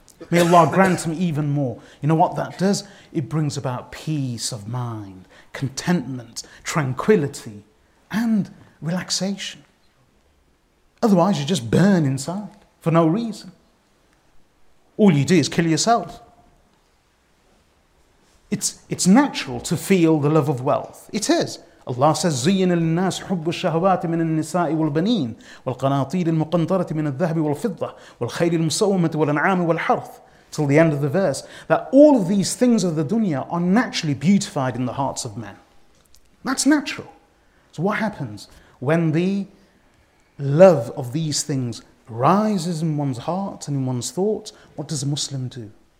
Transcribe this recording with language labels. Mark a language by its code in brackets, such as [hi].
[en] May Allah grant him even more. You know what that does? It brings about peace of mind, contentment, tranquility, and relaxation. Otherwise, you just burn inside for no reason. All you do is kill yourself. It's natural to feel the love of wealth. It is. Allah says, [ar] زين للناس حب الشهوات من النساء والبنين والقناطير المقنطرة من الذهب والفضة والخيل المسومة والأنعام والحرث. [en] Till the end of the verse, that all of these things of the dunya are naturally beautified in the hearts of men. That's natural. So what happens when the love of these things rises in one's heart and in one's thoughts? What does a Muslim do?